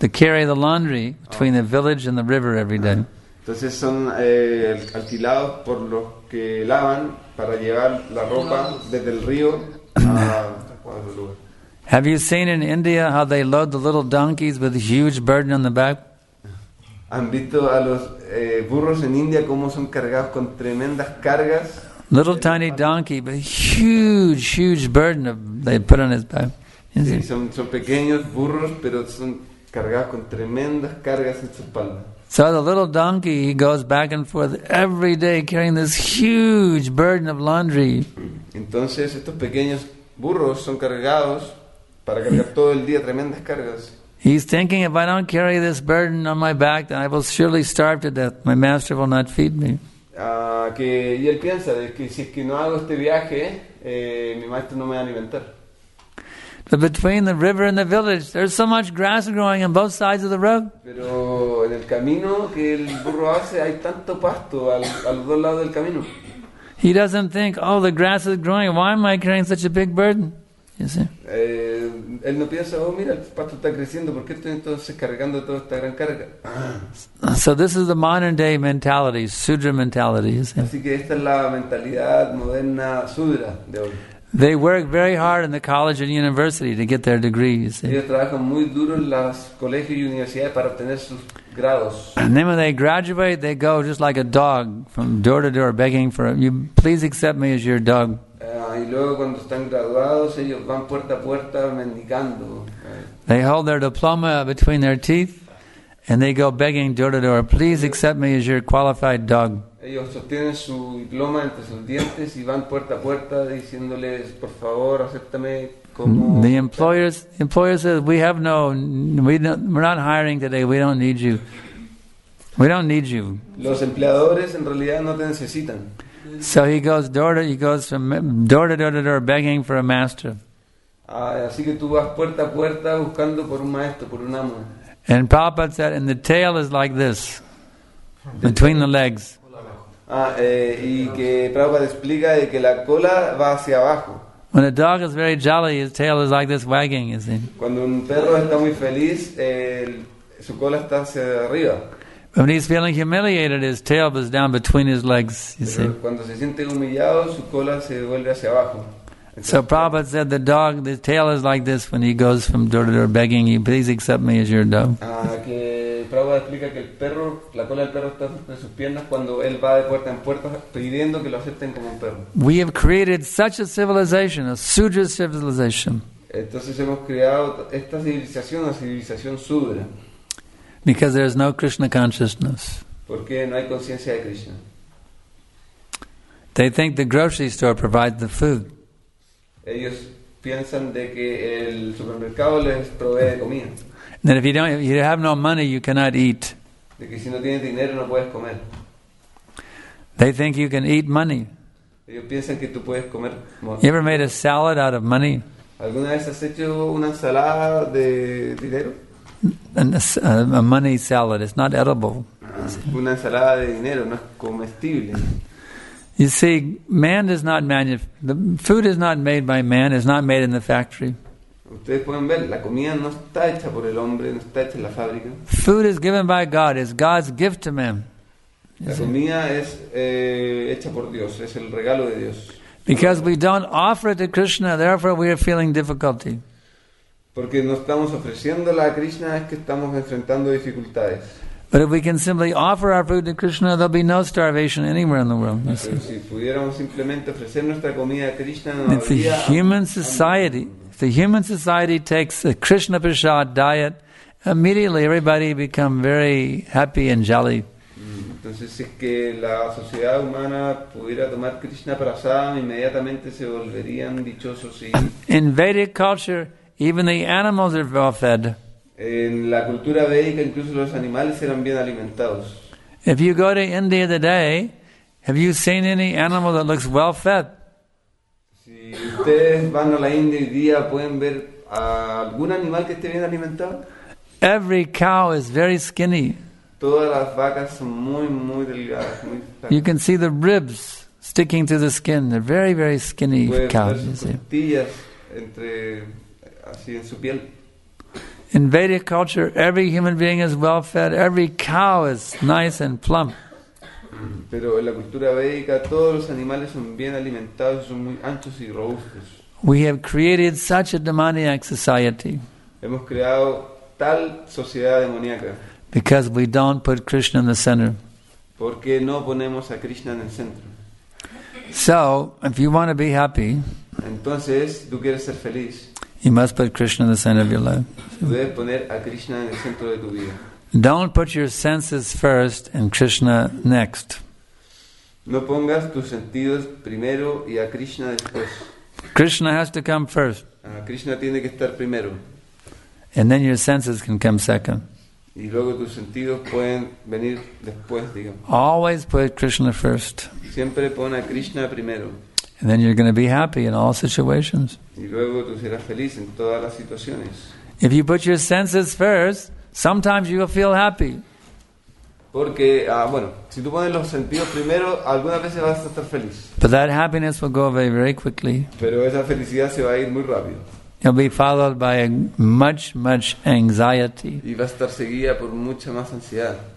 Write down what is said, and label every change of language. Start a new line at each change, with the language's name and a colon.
English: To carry the laundry between the village and the river every day.
Spanish: Entonces son alquilados por los que lavan para llevar la ropa desde el río a otro lugar.
English: Have you seen in India how they load the little donkeys with a huge burden on the back?
Spanish: ¿Han visto a los burros en India cómo son cargados con tremendas cargas?
English: Little tiny donkey, but huge, huge burden of, they put on his back.
Spanish: Sí, son pequeños burros, pero son cargados con tremendas cargas en su espalda.
English: So the little donkey, he goes back and forth every day carrying this huge burden of laundry.
Spanish: Entonces estos pequeños burros son cargados para cargar todo el día tremendas cargas.
English: He's thinking, if I don't carry this burden on my back, then I will surely starve to death. My master will not feed me.
Spanish: Que y él piensa de que si es que no hago este viaje, mi maestro no me va a alimentar.
English: But between the river and the village, there's so much grass growing on both sides of the road.
Spanish: Pero en el camino que el burro hace, hay tanto pasto a los dos lados del camino.
English: He doesn't think, oh, the grass is growing. Why am I carrying such a big burden? You see?
Spanish: Él no piensa, oh, mira, el pasto está creciendo, ¿por qué estoy entonces cargando toda esta gran carga?
English: So this is the modern day mentality, Shudra mentality, you see?
Spanish: Así que esta es la mentalidad moderna Shudra de hoy.
English: They work very hard in the college and university to get their degrees.
Spanish: Ellos trabajan muy duro en los colegios y universidades para obtener sus grados.
English: And then when they graduate, they go just like a dog from door to door begging for, you please accept me as your dog.
Spanish: Y luego cuando están graduados, ellos van puerta a puerta mendigando.
English: They hold their diploma between their teeth and they go begging door to door, please accept me as your qualified dog.
Spanish: Ellos sostienen su diploma entre sus dientes y van puerta a puerta diciéndoles, por favor, acéptame como...
English: The employer says, we're not hiring today, we don't need you. We don't need you.
Spanish: Los empleadores en realidad no te necesitan.
English: So he goes from door to door begging for a master.
Spanish: Así que tú vas puerta a puerta buscando por un maestro, por un amo.
English: And Prabhupada said, and the tail is like this, between the legs.
Spanish: Y que Prabhupada explica de que la cola va hacia abajo.
English: When a dog is very jolly, his tail is like this wagging, you see.
Spanish: Cuando un perro está muy feliz, su cola está hacia arriba.
English: When he's feeling humiliated, his tail is down between his legs, you
Spanish: Pero
English: see.
Spanish: Cuando se siente humillado, su cola se vuelve hacia abajo.
English: So Prabhupada said the dog, the tail is like this when he goes from door to door begging, you please accept me as your dog.
Spanish: Que Prabhupada explica que el perro, la cola del perro está en sus piernas cuando él va de puerta en puerta pidiendo que lo acepten como un perro.
English: We have created such a civilization, a Shudra civilization.
Spanish: Entonces hemos creado esta civilización, una civilización Shudra.
English: Because there is no Krishna consciousness.
Spanish: Porque no hay conciencia de Krishna.
English: They think the grocery store provides the food.
Spanish: Ellos piensan de que el supermercado les provee comida.
English: That if you have no money, you cannot eat.
Spanish: De que si no tienes dinero, no puedes comer.
English: They think you can eat money.
Spanish: Ellos piensan que tú puedes comer.
English: You ever made a salad out of money?
Spanish: ¿Alguna vez has hecho una ensalada de dinero?
English: A money salad, it's not edible.
Spanish: Una ensalada de dinero, no es comestible.
English: You see, man does not the food is not made by man, it's not made in the factory.
Spanish: Ustedes pueden ver, la comida no está hecha por el hombre, no está hecha en la fábrica.
English: Food is given by God, it's God's gift to man.
Spanish: La comida es hecha por Dios, es el regalo de Dios.
English: Because we don't offer it to Krishna, therefore we are feeling difficulty.
Spanish: Porque no estamos ofreciéndola a Krishna, es que estamos enfrentando dificultades.
English: But if we can simply offer our food to Krishna, there'll be no starvation anywhere in the world.
Spanish: Pero si pudiéramos simplemente ofrecer nuestra comida a Krishna, no habría.
English: If the human society takes a Krishna Prasad diet, immediately everybody become very happy and jolly.
Spanish: Entonces, si es que la sociedad humana pudiera tomar Krishna Prasad, inmediatamente se volverían dichosos.
English: In Vedic culture, even the animals are well fed.
Spanish: En la cultura védica incluso los animales eran bien alimentados.
English: If you go to India today, have you seen any animal that looks well fed?
Spanish: Si ustedes van a la India hoy día, ¿pueden ver a algún animal que esté bien alimentado?
English: Every cow is very skinny.
Spanish: Todas las vacas son muy, muy delgadas, muy flacas.
English: You can see the ribs sticking to the skin. They're very, very skinny cows, you see.
Spanish: Costillas entre, así en su piel.
English: In Vedic culture, every human being is well fed. Every cow is nice and plump.
Spanish: Pero en la cultura védica, todos los animales son bien alimentados, son muy anchos y robustos.
English: We have created such a demoniac society.
Spanish: Hemos creado tal sociedad demoníaca.
English: Because we don't put Krishna in the center.
Spanish: Porque no ponemos a Krishna en el centro.
English: So, if you want to be happy,
Spanish: entonces, tú quieres ser feliz,
English: you must put Krishna in the center of your life.
Spanish: Debes poner a Krishna en el centro de tu vida.
English: Don't put your senses first and Krishna next.
Spanish: No pongas tus sentidos primero y a Krishna después.
English: Krishna has to come first.
Spanish: Krishna tiene que estar primero.
English: And then your senses can come second.
Spanish: Y luego tus sentidos pueden venir después, digamos.
English: Always put Krishna first.
Spanish: Siempre pon a Krishna primero.
English: And then you're going to be happy in all situations.
Spanish: Y luego tú serás feliz en todas las situaciones.
English: If you put your senses first, sometimes you will feel happy.
Spanish: Porque, bueno, si tú pones los sentidos primero, algunas veces vas a estar feliz.
English: But that happiness will go away very quickly.
Spanish: Pero esa felicidad se va a ir muy rápido.
English: It'll be followed by much, much anxiety.
Spanish: Y va a estar seguida por mucha más ansiedad.